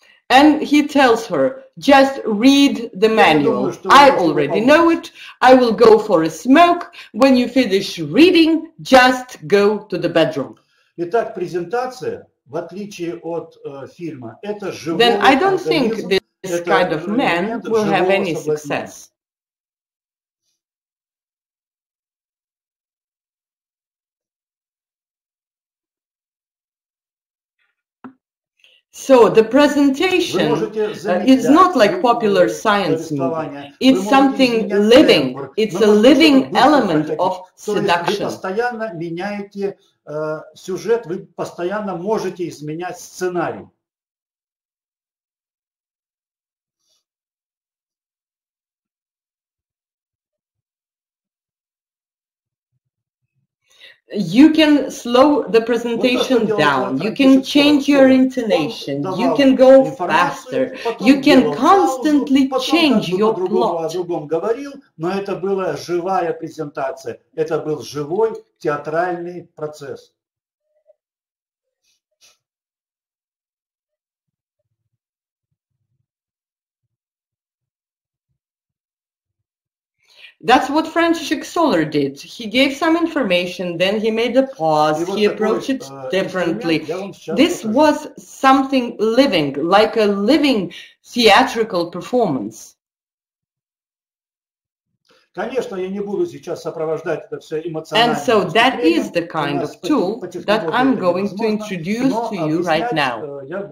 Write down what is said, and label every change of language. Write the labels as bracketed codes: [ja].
[en] And he tells her, just read the manual. I already know it. I will go for a smoke. When you finish reading, just go to the bedroom. [ru] Итак, презентация, в отличие от фильма, это живой [en] Then I don't think this kind of man will have any success. So the presentation is not like popular science movie. It's something living. It's a living element of seduction. [ru] Вы постоянно меняете сюжет, вы постоянно можете изменять сценарий. [en] You can slow the presentation down, you can change your intonation, you can go faster, you can constantly change your plot. [ru] Это был живой театральный процесс. [en] That's what Frank Schicksaler did. He gave some information, then he made a pause, he approached it differently. This was something living, like a living theatrical performance. [ru] Конечно, я не буду сейчас сопровождать это все эмоционально. [en] And so that is the kind of tool that I'm going to introduce to you right now.